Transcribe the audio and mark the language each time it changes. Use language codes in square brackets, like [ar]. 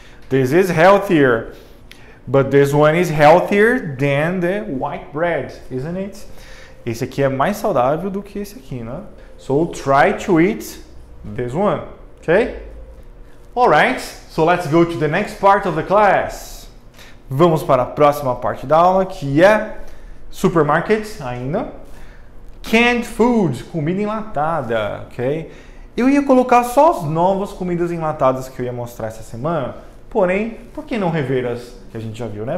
[en] This is healthier, but this one is healthier than the white bread, isn't it? [pt] Esse aqui é mais saudável do que esse aqui, né? [en] So try to eat this one. Okay? Alright, so let's go to the next part of the class. [pt] Vamos para a próxima parte da aula, que é supermarket ainda. Canned food, comida enlatada, ok? Eu ia colocar só as novas comidas enlatadas que eu ia mostrar essa semana, porém, por que não rever as que a gente já viu, né?